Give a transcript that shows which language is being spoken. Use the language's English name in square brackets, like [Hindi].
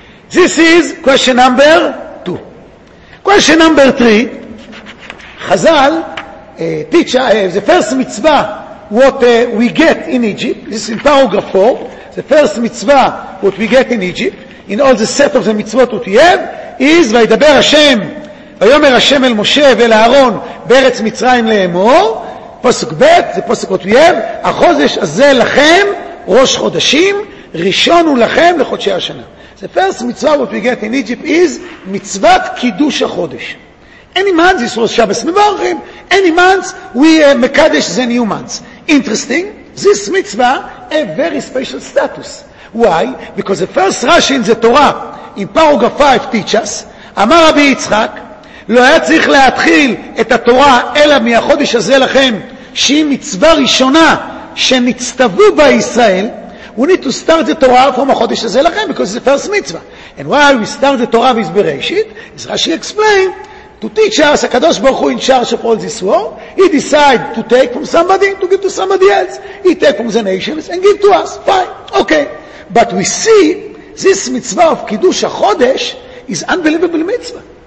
[English] This is question number 2. Question number 3, Chazal the first mitzvah what we get in Egypt, this is in paragraph 4, the first mitzvah what we get in Egypt, in all the set of the mitzvot what we have, is [Hebrew] וידבר השם, ויאמר השם אל משה ואל אהרון בארץ מצרים לאמור, פסוק ב', זה פסוק [English] what we have, [Hebrew] החודש הזה לכם ראש חודשים, ראשון הוא לכם לחודשי השנה. [English] The first mitzvah what we get in Egypt is mitzvah kiddush ha-chodesh. Any month, this was Shabbos Mevorchim, any month we mekadesh the new month. Interesting, this mitzvah a very special status. Why? Because the first Rashi in the Torah, in paragraph 5, teach us, [Hebrew] אמר רבי יצחק, לא היה צריך להתחיל את התורה אלא מהחודש הזה לכם, שהיא מצווה ראשונה שנצטוו בישראל. [English] We need to start the Torah from the Chodesh Hazeh Lachem, because it's the first mitzvah. And while we start the Torah with Bereshit, as Rashi explained, to teach us, HaKadosh Baruch Hu in charge of all this war, he decided to take from somebody, to give to somebody else. He take from the nations and give to us. Fine. Okay. But we see, this mitzvah of Kiddush HaChodesh is unbelievable mitzvah.